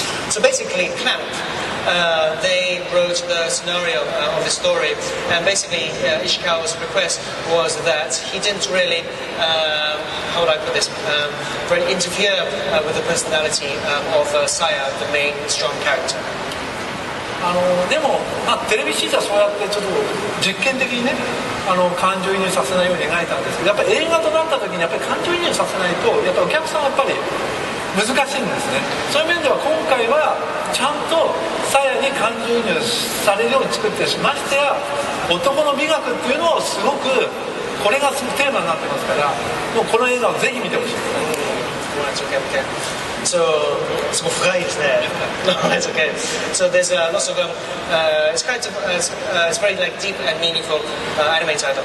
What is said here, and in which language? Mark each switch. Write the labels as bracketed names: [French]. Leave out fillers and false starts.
[English] So basically, Clamp, they wrote the scenario of the story, and basically Ishikawa's request was that he didn't really, how would I put this, really interfere with the personality of Saya, the main strong character. [Japanese] でも、まあ、テレビシーズはそうやってちょっと実験的にね、感情移入させないように描いたんですけど、やっぱり映画となった時にやっぱり感情移入させないとやっぱお客さんはやっぱり難しいんですね。そういう面では今回はちゃんとさやに感情移入されるように作ってし、ましてや男の美学っていうのをすごく、これがすごくテーマになってますから、もうこの映画をぜひ見てほしいです [English] 。 So, it's okay. So there's lots of it's kind of it's very like deep and meaningful anime title.